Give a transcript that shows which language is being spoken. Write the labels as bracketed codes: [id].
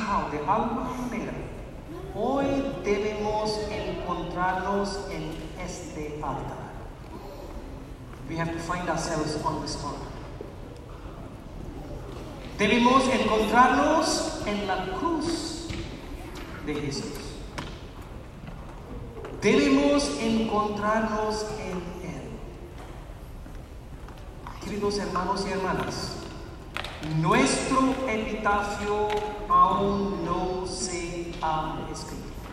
[es] De alguna manera, hoy debemos encontrarnos en este altar. [en] We have to find ourselves on this altar. [es] Debemos encontrarnos en la cruz de Jesús. Debemos encontrarnos en Él. Queridos hermanos y hermanas, nuestro epitafio aún no se ha escrito.